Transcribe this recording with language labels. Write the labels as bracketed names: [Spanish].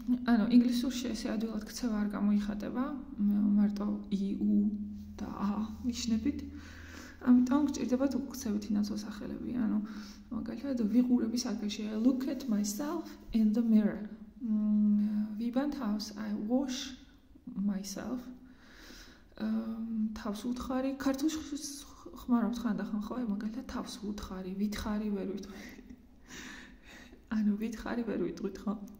[Georgian] ანუ ინგლისურში ესე ადვილად ქცევა არ გამოიხატება, მარტო ი, უ და ა ნიშნებით. ამიტომ გვჭირდებათ უკცევითი ნაცვლსახელები, ანუ მაგალითად ვიყურების აღაშე [English] look at myself in the mirror. [Georgian] ვიბან თავს, [English] I wash myself. [Georgian] თავს უთხარი, ქართულში ხმარობთ ხანდახან, ხო? აი მაგალითად თავს უთხარი, ვითხარი ვერ ვიტყვი. ანუ ვითხარი ვერ ვიტყვით, ხო?